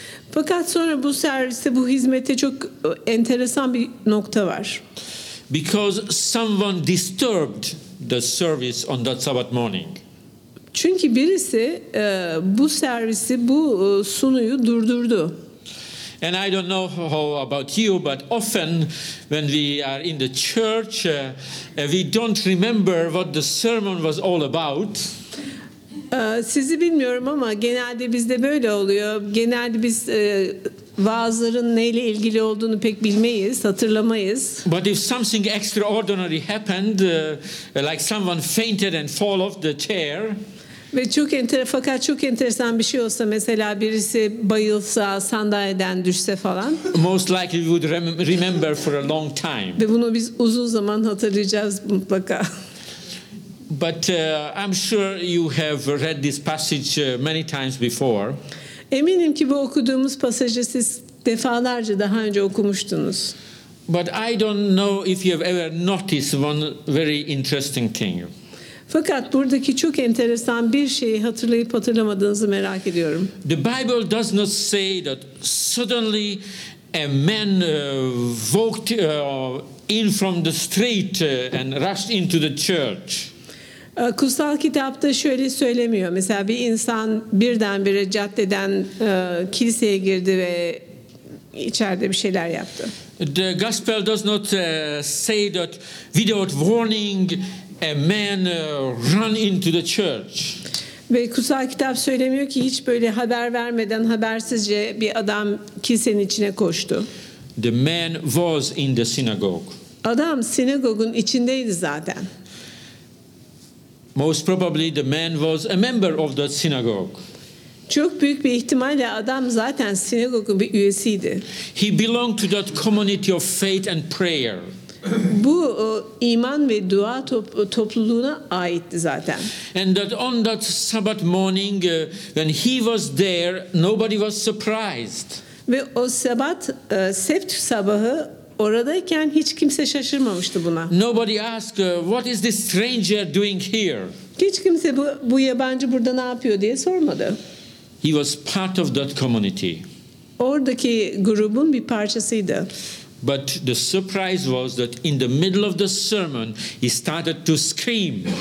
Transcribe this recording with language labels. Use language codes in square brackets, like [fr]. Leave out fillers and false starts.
[tr] Fakat sonra bu serviste, bu hizmette çok enteresan bir nokta var. [en] Because someone disturbed the service on that Sabbath morning. [tr] Çünkü birisi bu servisi, bu sunuyu durdurdu. [en] And I don't know how about you, but often when we are in the church, we don't remember what the sermon was all about. [tr] Sizi bilmiyorum ama genelde bizde böyle oluyor. Genelde biz vaazların neyle ilgili olduğunu pek bilmeyiz, hatırlamayız. [en] But if something extraordinary happened, like someone fainted and fall off the chair. [tr] Ve çok fakat çok enteresan bir şey olsa, mesela birisi bayılsa, sandalyeden düşse falan. [en] Most likely we would remember for a long time. [tr] Ve bunu biz uzun zaman hatırlayacağız mutlaka. [en] But I'm sure you have read this passage many times before. [tr] Eminim ki bu okuduğumuz pasajı siz defalarca daha önce okumuştunuz. [en] But I don't know if you have ever noticed one very interesting thing. [tr] Fakat buradaki çok enteresan bir şeyi hatırlayıp hatırlamadığınızı merak ediyorum. [en] The Bible does not say that suddenly a man walked in from the street and rushed into the church. [tr] Kutsal kitapta şöyle söylemiyor. Mesela bir insan birdenbire caddeden kiliseye girdi ve içeride bir şeyler yaptı. [en] The gospel does not say that without warning a man ran into the church. [tr] Ve kutsal kitap söylemiyor ki hiç böyle haber vermeden habersizce bir adam kilisenin içine koştu. [en] The man was in the synagogue. [tr] Adam sinagogun içindeydi zaten. [en] Most probably the man was a member of the synagogue. [tr] Çok büyük bir ihtimalle adam zaten sinagogun bir üyesiydi. [en] He belonged to that community of faith and prayer. [tr] Bu iman ve dua topluluğuna aitti zaten. [en] And that on that Sabbath morning when he was there, nobody was surprised. [tr] Ve o sabat, sept sabahı oradayken hiç kimse şaşırmamıştı buna. [en] Nobody asked what is this stranger doing here? [tr] Hiç kimse bu yabancı burada ne yapıyor diye sormadı. [en] He was part of that community. [tr] Oradaki grubun bir parçasıydı. [en] But the surprise was that in the middle of the sermon he started to scream.